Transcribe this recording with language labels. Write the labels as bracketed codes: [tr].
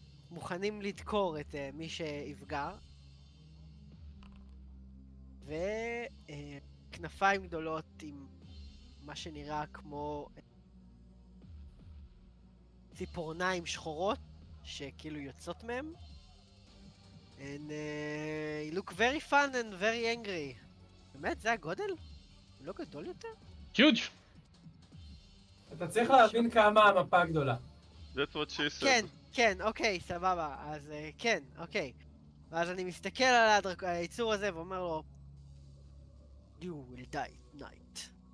[he] מוכנים לדקור את מי שיפגע, וכנפיים גדולות עם מה שנראה כמו ציפורניים שחורות שכאילו יוצאות מהם. [en] And he look very fun and very angry. [he] באמת? זה הגודל? לא גדול יותר? [en] huge! [he] אתה צריך להבין כמה המפה הגדולה. [en] That's what she said. [he] כן, כן, אוקיי, סבבה. אז כן, אוקיי. ואז אני מסתכל על היצור הזה ואומר לו, [en] You will die tonight.